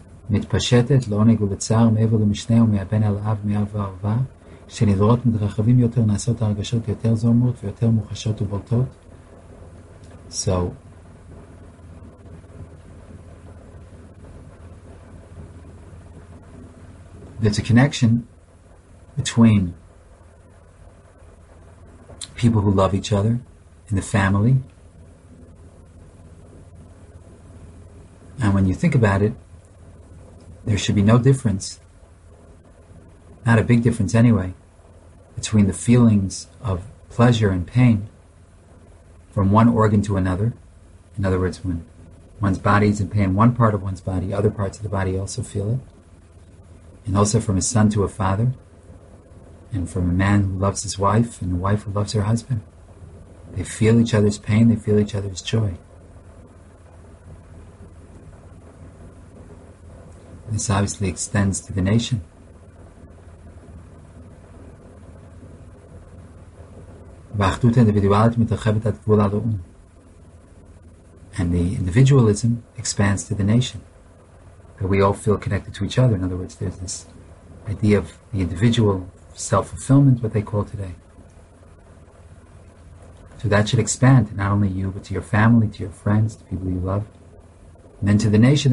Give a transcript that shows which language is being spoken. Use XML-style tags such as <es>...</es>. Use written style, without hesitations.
<he>מתפשטת לעונג ובצער מעבר למשנה ומהבן אל אב מאב ואהבה שנדרות מתרחבים יותר נעשות הרגשות יותר זומרות ויותר מוחשות ובולטות.</he> <en>So there's a connection between people who love each other in the family, and when you think about it, there should be no difference not a big difference anyway between the feelings of pleasure and pain from one organ to another. In other words, when one's body is in pain, one part of one's body, other parts of the body also feel it. And also from a son to a father, and from a man who loves his wife and a wife who loves her husband. They feel each other's pain, they feel each other's joy. This obviously extends to the nation.</en> <he>והאחדות האינדיבידואלית מתרחבת עד גבול הלאום.</he> <en>And the individualism expands to the nation. That we all feel connected to each other. In other words, there's this idea of the individual self-fulfillment, what they call today. So that should expand to not only you, but to your family, to your friends, to people you love. And then to the nation.</en>